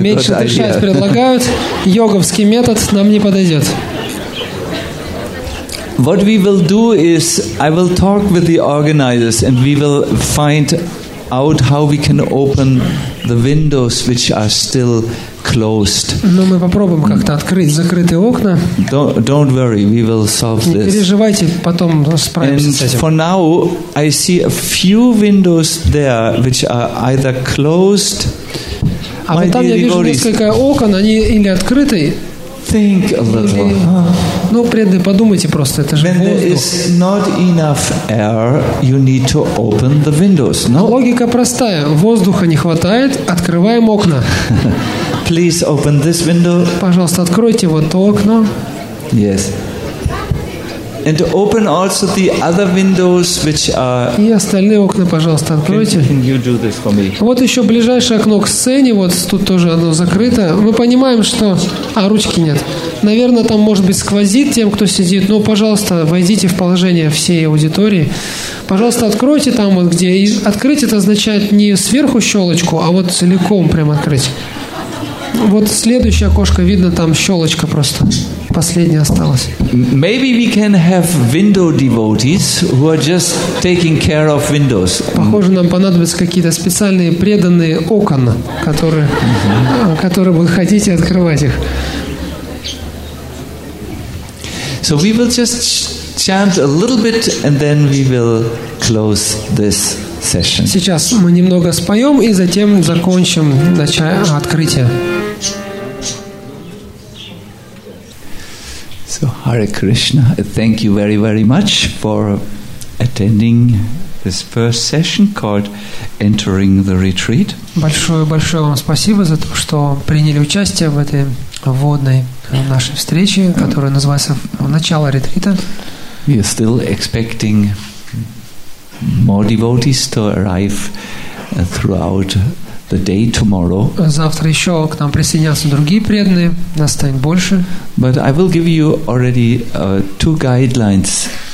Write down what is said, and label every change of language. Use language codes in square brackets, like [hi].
[ru] меньше [en] good [ru] дышать [en] idea. [ru] Предлагают. Йоговский метод нам не подойдет. [en] What we will do is, I will talk with the organizers and we will find out how we can open the windows which are still closed. [ru] Но мы попробуем как-то открыть закрытые окна. [en] Don't worry, we will solve this. [ru] Не переживайте, потом справимся с этим. [en] And for now, I see a few windows there which are either closed. [ru] А вот там я вижу несколько окон, они или открыты. [en] Think a little. [ru] Ну, преданные, подумайте просто, это же воздух. [en] When there is not enough air, you need to open the windows. No? [ru] Логика простая. Воздуха не хватает, открываем окна. [en] Please open this window. [ru] Пожалуйста, откройте вот то окно. [en] Yes. And open also the other windows, which are. [ru] И остальные окна, пожалуйста, откройте. [en] Can you do this for me? [ru] Вот еще ближайшее окно к сцене, вот тут тоже оно закрыто. Мы понимаем, что. А ручки нет. Наверное, там может быть сквозит тем, кто сидит. Но, пожалуйста, войдите в положение всей аудитории. Пожалуйста, откройте там вот где. И открыть это означает не сверху щелочку, а вот целиком прям открыть. Вот следующее окошко видно, там щелочка просто. Последняя осталась. [en] Maybe we can have window devotees who are just taking care of windows. [ru] Похоже, нам понадобятся какие-то специальные преданные окна, которые, которые будут ходить и открывать их. [en] So we will just chant a little bit and then we will close this session. [ru] Сейчас мы немного споем и затем закончим начало открытия. [en] So Hare Krishna, thank you very, very much for attending this first session called Entering the Retreat. [ru] Большое-большое вам спасибо за то, что приняли участие в этой вводной нашей встрече, которая называется «Начало ретрита». [en] We are still expecting more devotees to arrive throughout the day tomorrow. [ru] Завтра еще к нам присоединятся другие преданные, нас станет больше. [en] But I will give you already two guidelines.